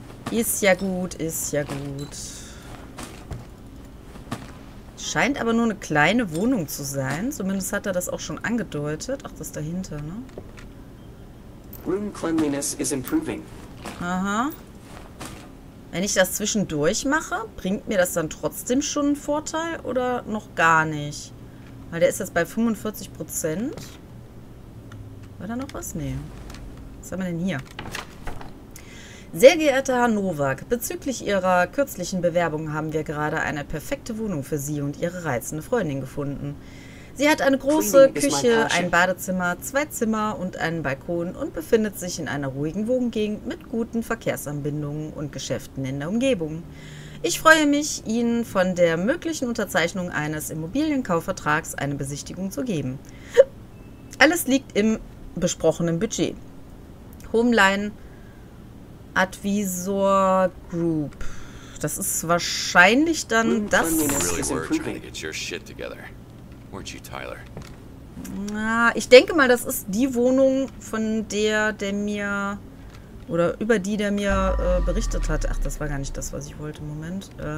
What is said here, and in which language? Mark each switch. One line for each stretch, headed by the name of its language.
German: Ist ja gut, ist ja gut. Scheint aber nur eine kleine Wohnung zu sein. Zumindest hat er das auch schon angedeutet. Ach, das dahinter, ne?
English: Room cleanliness is improving.
German: Aha. Wenn ich das zwischendurch mache, bringt mir das dann trotzdem schon einen Vorteil oder noch gar nicht? Weil der ist jetzt bei 45%. War da noch was? Nee. Was haben wir denn hier? Sehr geehrter Herr Novak, bezüglich Ihrer kürzlichen Bewerbung haben wir gerade eine perfekte Wohnung für Sie und Ihre reizende Freundin gefunden. Sie hat eine große Küche, ein Badezimmer, zwei Zimmer und einen Balkon und befindet sich in einer ruhigen Wohngegend mit guten Verkehrsanbindungen und Geschäften in der Umgebung. Ich freue mich, Ihnen von der möglichen Unterzeichnung eines Immobilienkaufvertrags eine Besichtigung zu geben. Alles liegt im besprochenen Budget.
English: Homeline Advisor Group.
German: Das ist wahrscheinlich dann das... Ich denke mal, das ist die Wohnung, von der mir, oder über die der mir berichtet hat. Ach, das war gar nicht das, was ich wollte. Moment.